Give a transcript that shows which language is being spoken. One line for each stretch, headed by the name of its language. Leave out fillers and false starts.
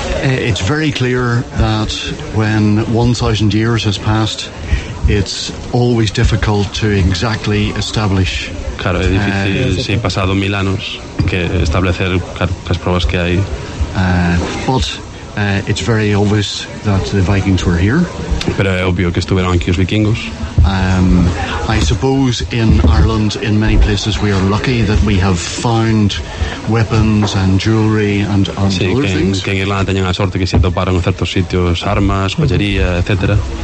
English: It's very clear that when 1,000 years has passed, it's always difficult to exactly establish.
Spanish: Claro, es difícil si han pasado mil años que establecer las pruebas que hay.
English: But it's very obvious that the Vikings were here.
Spanish: Pero es obvio que estuvieron aquí los vikingos.
English: I suppose in Ireland, in many places, we are lucky that we have found weapons and jewelry and
Spanish: sí,
English: other things.
Spanish: Que en Irlanda tenían la suerte que se toparon en ciertos sitios armas, joyería, etc.